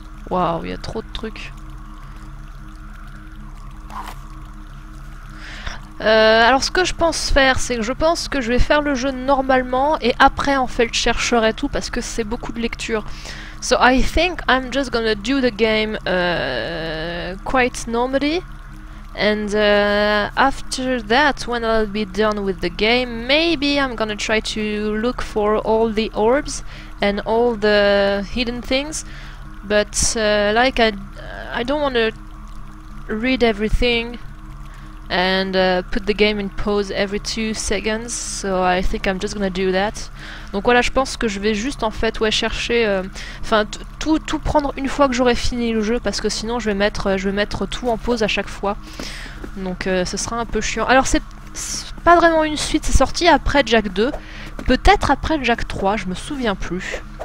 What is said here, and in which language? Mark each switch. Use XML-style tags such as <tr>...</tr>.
<fr>Waouh, il y a trop de trucs. Alors, ce que je pense faire, c'est que je pense que je vais faire le jeu normalement et après, en fait, je chercherai tout parce que c'est beaucoup de lecture.</fr> <en>So, I think I'm just gonna do the game quite normally. And after that, when I'll be done with the game, maybe I'm gonna try to look for all the orbs and all the hidden things. But like I don't want to read everything and put the game in pause every 2 seconds, so I think I'm just gonna do that.</en> <fr>Donc voilà, je pense que je vais juste en fait ouais chercher, enfin tout prendre une fois que j'aurai fini le jeu parce que sinon je vais mettre tout en pause à chaque fois. Donc ce sera un peu chiant. Alors c'est pas vraiment une suite, c'est sorti après Jack 2, peut-être après Jack 3, je me souviens plus.</fr>